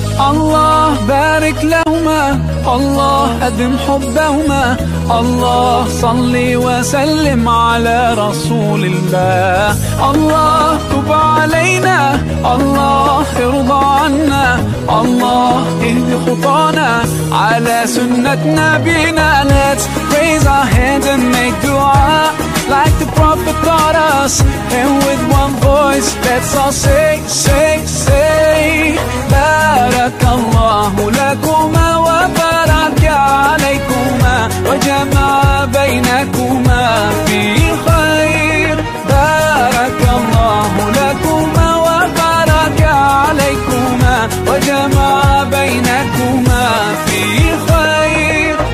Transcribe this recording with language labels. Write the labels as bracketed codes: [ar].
[ar] الله بارك لهما. الله أدم حبهما. الله صلي وسلم على رسول الله. الله تب علينا. الله ارضى عنا. الله اهدي خطانا على سنة نبينا. [en] Let's raise our hands and make dua like the Prophet taught us. And with one voice, let's all say, say, say, [ar] بارك الله لكما وبارك عليكما وجمع بينكما في خير. بارك الله لكما وبارك عليكما وجمع بينكما في خير.